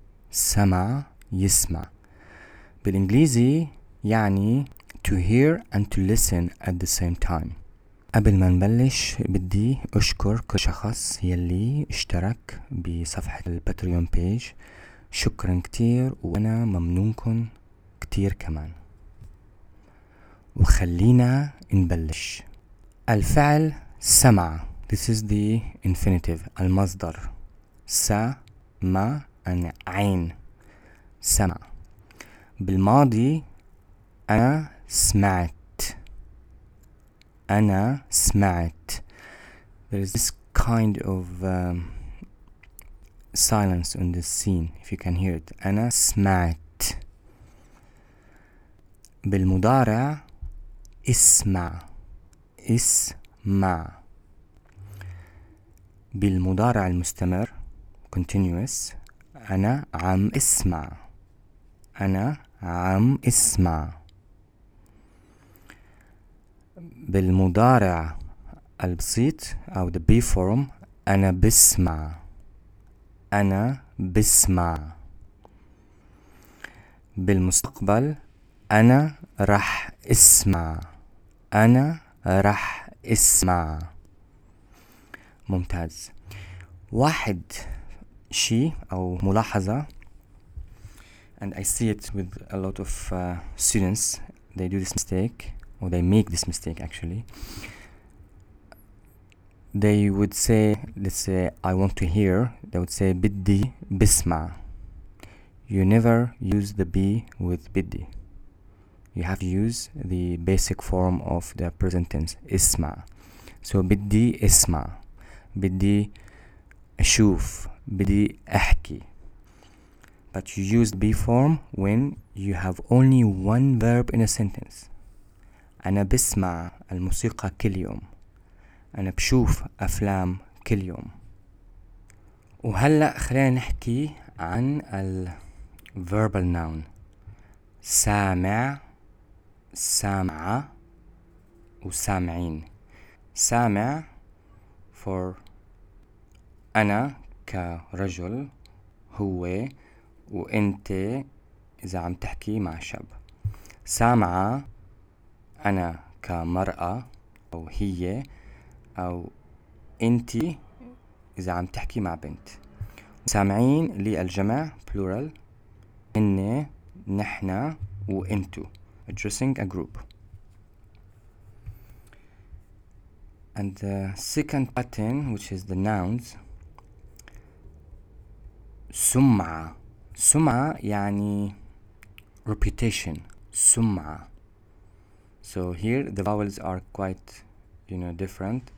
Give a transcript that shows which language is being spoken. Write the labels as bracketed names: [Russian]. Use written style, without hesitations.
[Arabic] سمع يسمع بالإنجليزي يعني [English] to hear and to listen at the same time. [Arabic] قبل ما نبلش بدي أشكر كل شخص يلي اشترك بصفحة الباتريون بيج، شكرا كتير وأنا ممنونكم كتير كمان. وخلينا نبلش. الفعل سمع، [English] this is the infinitive، [Arabic] المصدر سمع أن عين سمع. بالماضي أنا سمعت، أنا سمعت. [English] There is this kind of silence on this scene if you can hear it. [Arabic] أنا سمعت. بالمضارع اسمع، اسمع. بالمضارع المستمر continuous أنا عم اسمع، أنا عم اسمع. بالمضارع البسيط أو [English] the be form [Arabic] أنا بسمع، أنا بسمع. بالمستقبل أنا رح اسمع، أنا رح اسمع. ممتاز. واحد شيء أو ملاحظة، [English] and I see it with a lot of students, they do this mistake or they make this mistake actually. They would say, let's say I want to hear, they would say [Arabic] بدي بسمع. [English] You never use the be with بدي. You have to use the basic form of the present tense, اسمع. [Arabic] So بدي اسمع، بدي اشوف، بدي احكي. [English] But you use be form when you have only one verb in a sentence. [Arabic] أنا بسمع الموسيقى كل يوم، أنا بشوف أفلام كل يوم. وهلأ خلينا نحكي عن الverbal noun. سامع، سامعة، وسامعين. سامع for أنا كرجل، هو، وأنت إذا عم تحكي مع شاب. سامعة أنا كمرأة أو هي أو أنت إذا عم تحكي مع بنت. سامعين للجمع plural، هن، نحن، وأنتو، [English] addressing a group. And the second pattern which is the nouns. [Arabic] سمعة، سمعة يعني reputation. سمعة. [English] So here the vowels are quite, you know, different.